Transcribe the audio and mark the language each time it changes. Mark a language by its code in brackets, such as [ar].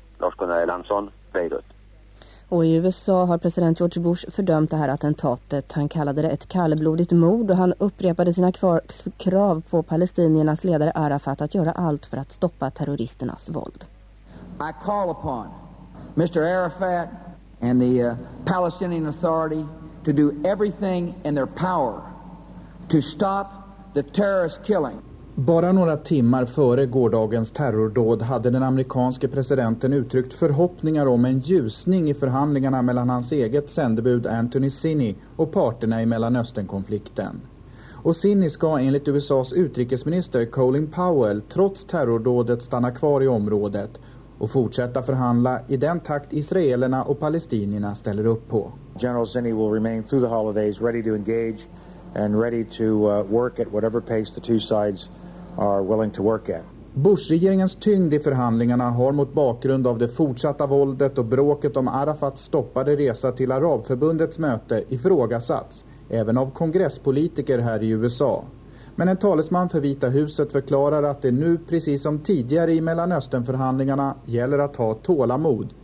[sv] Lars-Gunnar Elansson, Beirut. Och i USA har president George Bush fördömt det här attentatet. Han kallade det ett kallblodigt mord och han upprepade sina krav på palestiniernas ledare Arafat att göra allt för att stoppa terroristernas våld. [en] I call upon Mr. Arafat and the Palestinian Authority to do everything in their power to stop the terrorist killing. [sv] Bara några timmar före gårdagens terrordåd hade den amerikanske presidenten uttryckt förhoppningar om en ljusning i förhandlingarna mellan hans eget sändebud Anthony Zinni och parterna i Mellanösternkonflikten. Och Zinni ska enligt USA:s utrikesminister Colin Powell trots terrordådet stanna kvar i området och fortsätta förhandla i den takt israelerna och palestinierna ställer upp på. [en] General Zinni will remain through the holidays ready to engage and ready to work at whatever pace the two sides are willing to work at. [sv] Bush-regeringens tyngd i förhandlingarna har mot bakgrund av det fortsatta våldet och bråket om Arafats stoppade resa till Arabförbundets möte ifrågasatts, även av kongresspolitiker här i USA. Men en talesman för Vita huset förklarar att det nu, precis som tidigare i Mellanösternförhandlingarna, gäller att ha tålamod.